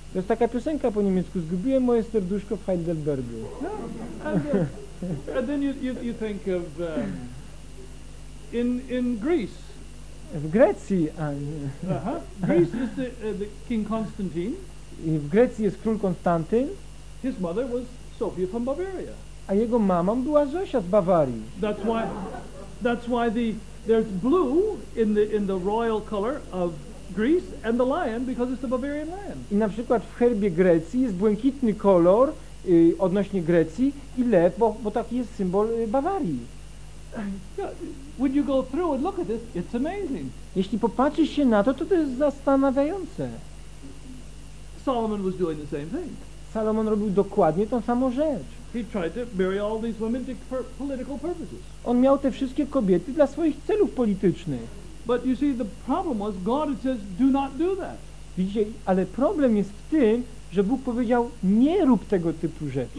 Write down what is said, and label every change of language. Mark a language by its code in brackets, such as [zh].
[pl] To jest taka piosenka po niemiecku. Zgubiłem moje serduszko w Heidelbergu. [en] Yeah? And then you think of in Greece. [pl] W Grecji, [en] Greece is the King Constantine. [pl] I w Grecji jest król Konstantyn. [en] His mother was Sophia from Bavaria. [pl] A jego mamą była Zosia z Bawarii. [en] That's why there's blue in the royal color of Greece and the lion because it's the Bavarian lion. [pl] I na przykład w herbie Grecji jest błękitny kolor odnośnie Grecji i lew, bo taki jest symbol Bawarii. [en] When you go through and look at this, it's amazing. [pl] Jeśli popatrzysz się na to, to jest zastanawiające. [en] Solomon was doing the same thing. [pl] Salomon robił dokładnie tą samą rzecz. [en] He tried to marry all these women for political purposes. [pl] On miał te wszystkie kobiety dla swoich celów politycznych. [en] But you see, the problem was God says, "Do not do that." [pl] Widzicie, ale problem jest w tym, że Bóg powiedział, nie rób tego typu rzeczy.